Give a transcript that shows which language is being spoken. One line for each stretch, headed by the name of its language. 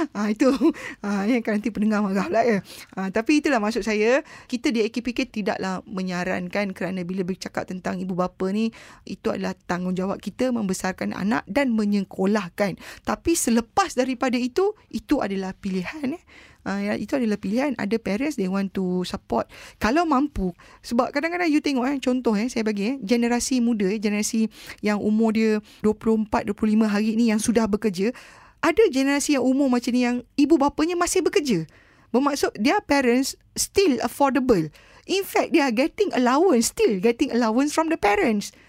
Malay: itu yang akan nanti pendengar marah pula ya. Tapi itulah maksud saya, kita di AKPK tidaklah menyarankan, kerana bila bercakap tentang ibu bapa ni, itu adalah tanggungjawab kita membesarkan anak dan menyekolahkan. Tapi selepas daripada itu, itu adalah pilihan. Itu adalah pilihan. Ada
English: parents they want to support
Malay: kalau mampu. Sebab kadang-kadang you tengok contoh saya bagi generasi muda, generasi yang umur dia 24-25 hari ni yang sudah bekerja, ada generasi yang umur macam ni yang ibu bapanya masih bekerja.
English: Bermaksud their parents still affordable. In fact they are getting allowance, still getting allowance from the parents.